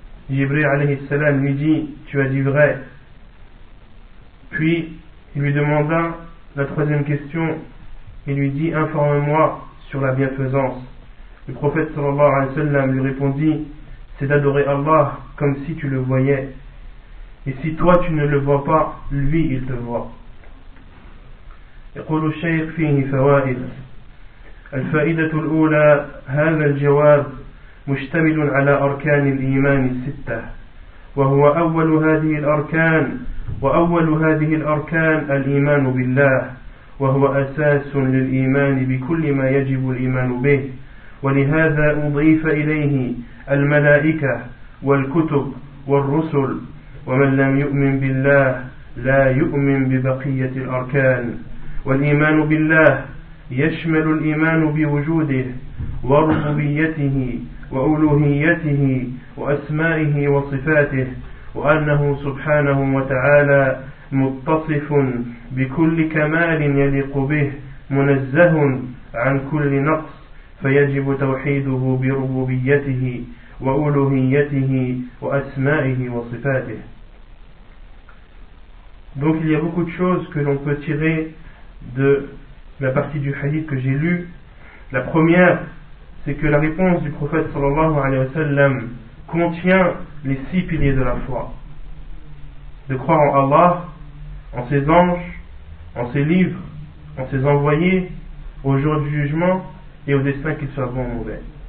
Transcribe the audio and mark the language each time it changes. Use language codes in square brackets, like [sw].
[fr] Jibril alayhi salam lui dit, tu as dit vrai. Puis il lui demanda la troisième question et lui dit, informe-moi sur la bienfaisance. Le prophète sallallahu alayhi salam lui répondit, c'est d'adorer Allah comme si tu le voyais. Et si toi tu ne le vois pas, lui il te voit. [ar] يقول الشيخ فيه فوائد الفائدة الأولى هذا الجواب مشتمل على أركان الإيمان الستة، وهو أول هذه الأركان. وأول هذه الأركان الإيمان بالله، وهو أساس للإيمان بكل ما يجب الإيمان به. ولهذا أضيف إليه الملائكة والكتب والرسل، ومن لم يؤمن بالله لا يؤمن ببقية الأركان. والإيمان بالله يشمل الإيمان بوجوده وربوبيته وألوهيته وأسمائه وصفاته، وأنه سبحانه وتعالى متصف بكل كمال يليق به، منزه عن كل نقص. فيجب توحيده بربوبيته وألوهيته وأسمائه وصفاته. [fr] Donc il y a beaucoup de choses que l'on peut tirer de la partie du hadith que j'ai lu. La première, c'est que la réponse du prophète sallallahu alayhi wa sallam contient les six piliers de la foi. De croire en Allah, en ses anges, en ses livres, en ses envoyés, au jour du jugement et au destin, qu'il soit bon ou mauvais.